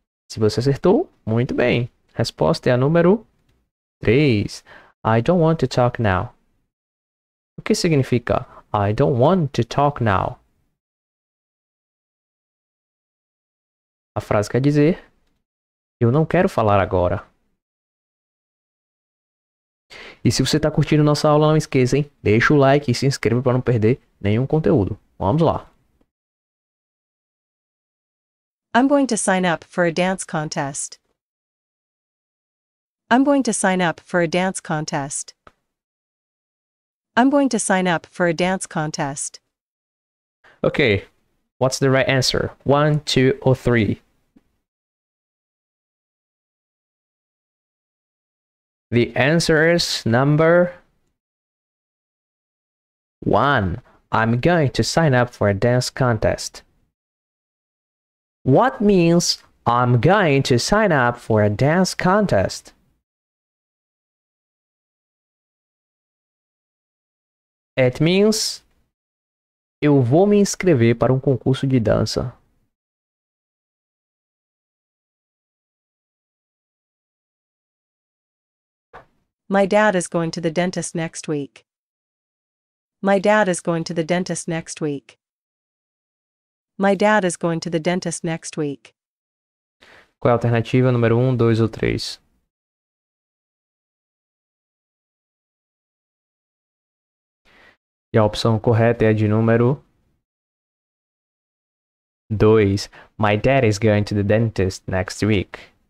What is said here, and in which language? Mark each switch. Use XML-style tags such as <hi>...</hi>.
<pt>Se você acertou, muito bem. Resposta é a número 3.</pt> <en>I don't want to talk now.</en> <pt>O que significa</pt> <en>I don't want to talk now?</en> <pt>A frase quer dizer, eu não quero falar agora. E se você está curtindo nossa aula, não esqueça, hein? Deixa o like e se inscreva para não perder nenhum conteúdo. Vamos lá.</pt> <en>I'm going to sign up for a dance contest. I'm going to sign up for a dance contest. I'm going to sign up for a dance contest. Ok. What's the right answer? 1, 2, or 3? The answer is number 1. I'm going to sign up for a dance contest. What means I'm going to sign up for a dance contest? It means</en> <pt>eu vou me inscrever para um concurso de dança.</pt> <en>My dad is going to the dentist next week. My dad is going to the dentist next week. My dad is going to the dentist next week.</en> <pt>Qual é a alternativa número 1, 2 ou 3? E a opção correta é a de número 2.</pt> <en>My dad is going to the dentist next week.</en>